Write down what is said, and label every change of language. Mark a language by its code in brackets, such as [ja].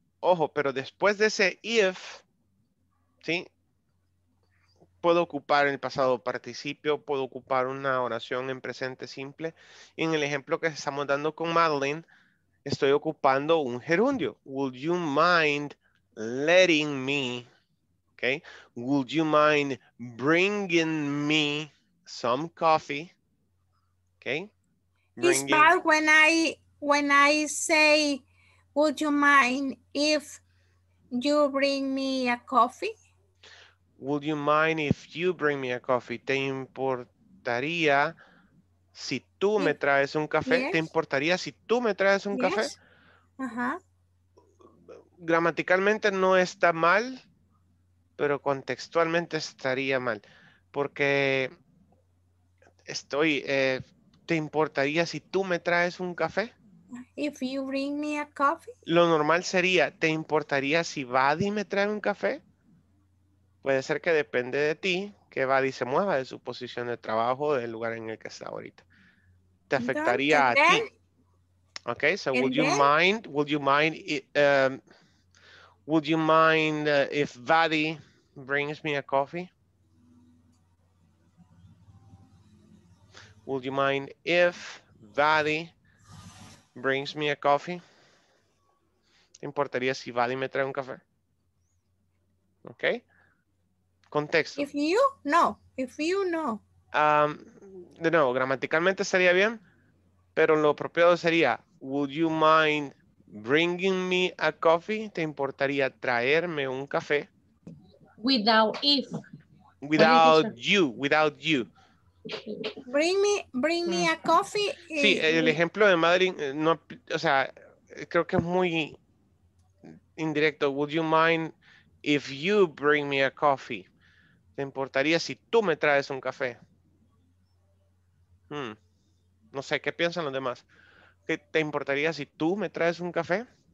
[es] Ojo, pero después de ese if, ¿sí? Puedo ocupar el pasado participio, puedo ocupar una oración en presente simple. Y en el ejemplo que estamos dando con Madeline, estoy ocupando un gerundio. [en] Would you mind letting me, okay? Would you mind bringing me some coffee, okay? It's bad when I say, would you mind if you bring me a coffee? Would you mind if you bring me a coffee? [es] ¿Te importaría si tú me traes un café? Yes. ¿Te importaría si tú me traes un café? Gramaticalmente no está mal, pero contextualmente estaría mal. Porque estoy, ¿te importaría si tú me traes un café? [en] If you bring me a coffee. [es] Lo normal sería, ¿te importaría si Buddy me trae un café? Puede ser que depende de ti que Buddy se mueva de su posición de trabajo, del lugar en el que está ahorita. ¿Te afectaría a ti? [en] Ok, so would you mind if Buddy brings me a coffee? Would you mind if Buddy brings me a coffee? [es] ¿Te importaría si Buddy me trae un café? Ok. Contexto. De nuevo, gramaticalmente sería bien, pero lo apropiado sería, [en] would you mind bringing me a coffee? [es] ¿Te importaría traerme un café? [en] Without you. Bring me a coffee. [es] Sí, el ejemplo de Madeline, no, o sea, creo que es muy indirecto. [en] Would you mind if you bring me a coffee? [es] ¿Te importaría si tú me traes un café? No sé, ¿qué piensan los demás? ¿Te importaría si tú me traes un café?